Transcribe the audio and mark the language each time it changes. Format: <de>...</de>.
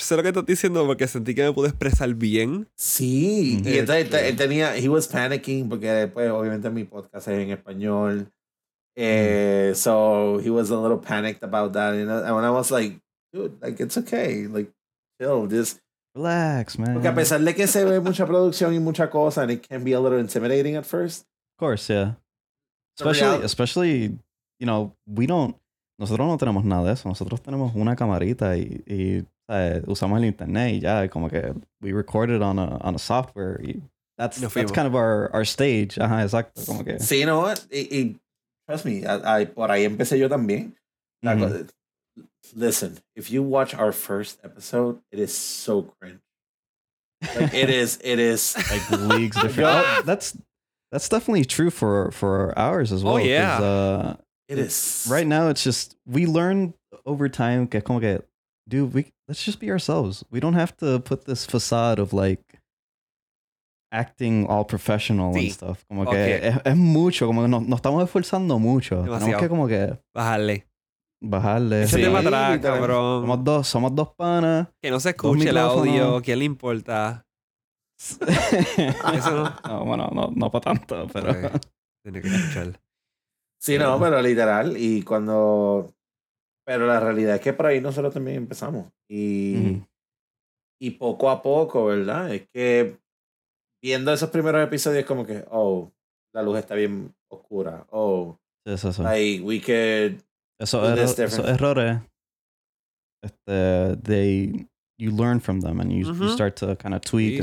<es>Sé lo que estás diciendo porque sentí que me pude expresar bien. Sí. Y él tenía,</es> <en>he was panicking</en> <es>porque después obviamente mi podcast es en español.</es> <en>So he was a little panicked about that. And I was like, dude, like it's okay. Like, chill, just relax, man.</en> <es>Porque a pesar de que se ve mucha producción y mucha cosa,</es> <en>and it can be a little intimidating at first. Of course, yeah. Especially, you know, we don't.</en> <es>Nosotros no tenemos nada de eso. Nosotros tenemos una camarita y usamos el internet y ya. Como que</es> <en>we recorded on a software. That's kind of our stage.</en> <es>Ajá, exacto. Como que. Sí,</es> <en>you know what?</en> <es>Y</es> <en>trust me,</en> <es>por ahí empecé yo también. Mm-hmm.</es> <en>Listen, if you watch our first episode, it is so cringe. Like, it is. Like leagues different. Oh, that's definitely true for ours as well. Oh, yeah. It is. Right now, it's just, we learn over time,</en> <es>que como que,</es> <en>dude, let's just be ourselves. We don't have to put this facade of, like, acting all professional and stuff.</en> <es>Como que, es mucho, como que nos estamos esforzando mucho. Demasiado. Tenemos que como que... Bajarle. Ese tema atrás, cabrón. Somos dos panas. Que no se escuche el audio, ¿qué le importa? Eso no. No, bueno, no para tanto, pero... Okay. Tiene que escucharlo. Sí, no, pero literal, y cuando... Pero la realidad es que por ahí nosotros también empezamos. Y, y poco a poco, ¿verdad? Es que viendo esos primeros episodios es como que, oh, la luz está bien oscura. Oh, sí, eso.</es> <en>Like, we could...</en> <es>Esos errores,</es> <en>you learn from them and you, you start to kind of tweak.</en>